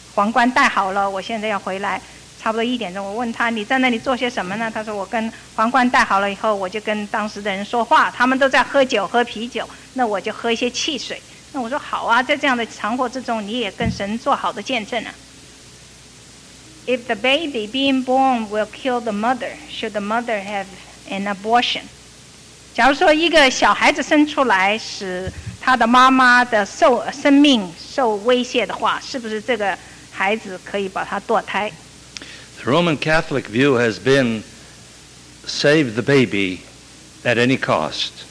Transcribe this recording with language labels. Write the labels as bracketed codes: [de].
[zh] 那他们十点钟的时候开始，我就把我儿子送去，他们那个会要延到三点钟，但是我就告诉他，你要回来的时候打电话给我。结果一点钟的时候他就打电话，他说，爸爸，我已经把那个皇冠戴好了，我现在要回来。差不多一点钟，我问他你在那里做些什么呢？他说我跟皇冠戴好了以后，我就跟当时的人说话。他们都在喝酒喝啤酒，那我就喝一些汽水。那我说好啊，在这样的场合之中，你也跟神做好的见证啊。 [en] If the baby being born will kill the mother, should the mother have an abortion? [zh] 假如说一个小孩子生出来使他的妈妈的生命受威胁的话，是不是这个孩子可以把他堕胎？ [en] The Roman Catholic view has been save the baby at any cost.